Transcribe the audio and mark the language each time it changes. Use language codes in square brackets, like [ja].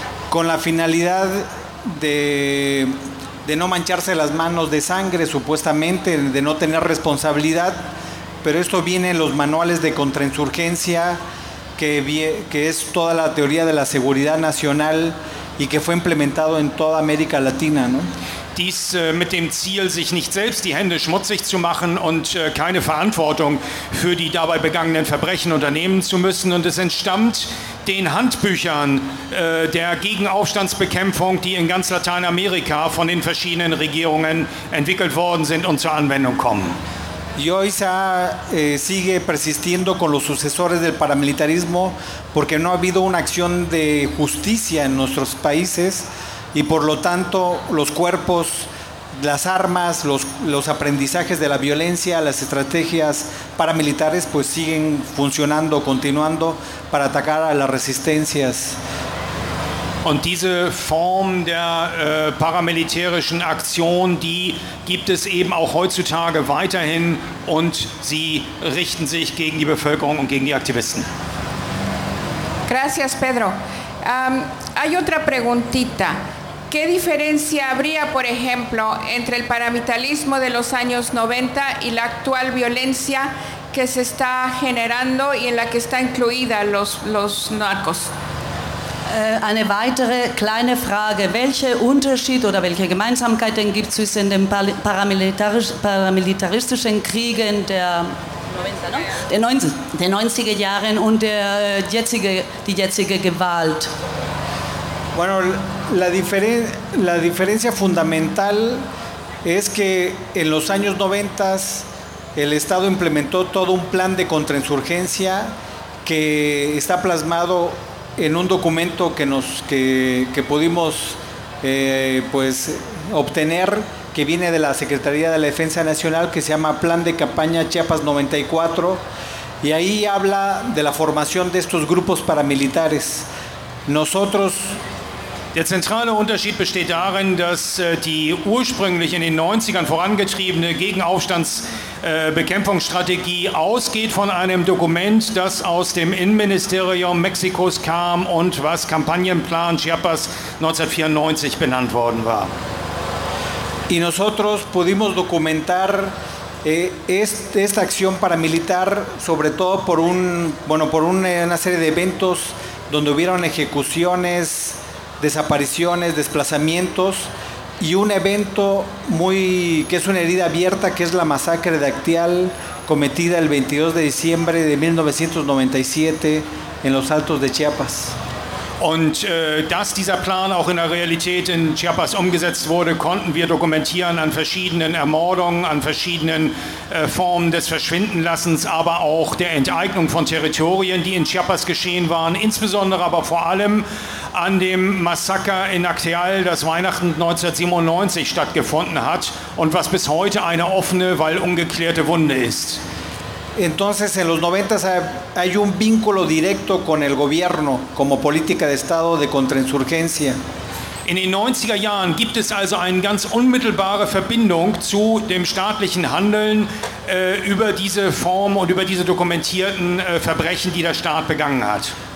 [es] Con la finalidad de no mancharse las manos de sangre, supuestamente, de no tener responsabilidad, pero esto viene en los manuales de contrainsurgencia, que es toda la teoría de la seguridad nacional, y que fue implementado en toda América Latina, ¿no? [de] Dies mit dem Ziel, sich nicht selbst die Hände schmutzig zu machen und keine Verantwortung für die dabei begangenen Verbrechen unternehmen zu müssen. Und es entstammt den Handbüchern der Gegenaufstandsbekämpfung, die in ganz Lateinamerika von den verschiedenen Regierungen entwickelt worden sind und zur Anwendung kommen. [es] Y hoy sigue persistiendo con los sucesores del paramilitarismo porque no ha habido una acción de justicia en nuestros países y por lo tanto los cuerpos, las armas, los aprendizajes de la violencia, las estrategias paramilitares pues siguen funcionando, continuando para atacar a las resistencias. [de] Und diese Form der paramilitärischen Aktion, die gibt es eben auch heutzutage weiterhin und sie richten sich gegen die Bevölkerung und gegen die Aktivisten. [es] Gracias, Pedro. Hay otra preguntita. ¿Qué diferencia habría, por ejemplo, entre el paramilitarismo de los años 90 y la actual violencia que se está generando y en la que están incluidas los narcos? [de] Eine weitere kleine Frage. Welche Unterschied oder welche Gemeinsamkeiten gibt es zwischen den paramilitaristischen Kriegen der 90er Jahre und die jetzige Gewalt? [es] Bueno, la diferencia fundamental es que en los años 90 el Estado implementó todo un plan de contrainsurgencia que está plasmado en un documento que pudimos pues obtener, que viene de la Secretaría de la Defensa Nacional, que se llama Plan de Campaña Chiapas 94, y ahí habla de la formación de estos grupos paramilitares. Nosotros... [de] Der zentrale Unterschied besteht darin, dass die ursprünglich in den 90ern vorangetriebene Gegenaufstandsbekämpfungsstrategie ausgeht von einem Dokument, das aus dem Innenministerium Mexikos kam und was Kampagnenplan Chiapas 1994 benannt worden war. [es] Y nosotros pudimos documentar Esta acción paramilitar, sobre todo por un, bueno, por una serie de eventos donde hubieron ejecuciones, desapariciones, desplazamientos, y un evento muy, que es una herida abierta, que es la masacre de Acteal, cometida el 22 de diciembre de 1997 en los Altos de Chiapas. [de] Und dass dieser Plan auch in der Realität in Chiapas umgesetzt wurde, konnten wir dokumentieren an verschiedenen Ermordungen, an verschiedenen Formen des Verschwindenlassens, aber auch der Enteignung von Territorien, die in Chiapas geschehen waren, insbesondere aber vor allem an dem Massaker in Acteal, das Weihnachten 1997 stattgefunden hat und was bis heute eine offene, weil ungeklärte Wunde ist. [es] Entonces, en los 90 hay un vínculo directo con el gobierno como política de Estado de contrainsurgencia. [de] In den 90er Jahren gibt es also eine ganz unmittelbare Verbindung zu dem staatlichen Handeln über diese Form und über diese dokumentierten Verbrechen, die der Staat begangen hat.